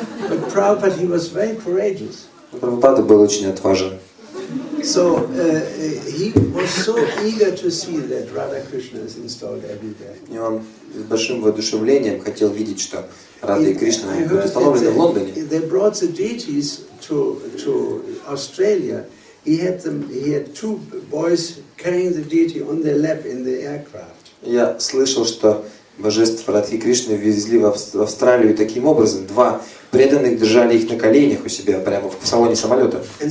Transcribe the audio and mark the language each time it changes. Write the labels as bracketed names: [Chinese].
[English] But Prabhupada, he was very courageous. [Russian] Но Прабхупада был очень отважен. [English] So he was so eager to see that Radha Krishna is installed everywhere. [Russian] И он с большим воодушевлением хотел видеть, что Радха и Кришна будут установлены в Лондоне. [English] They brought the deities to Australia. He had two boys carrying the deity on their lap in the aircraft. [Russian] Я слышал, что божества Радхи Кришны везли в Австралию таким образом. Два преданных держали их на коленях у себя прямо в салоне самолета.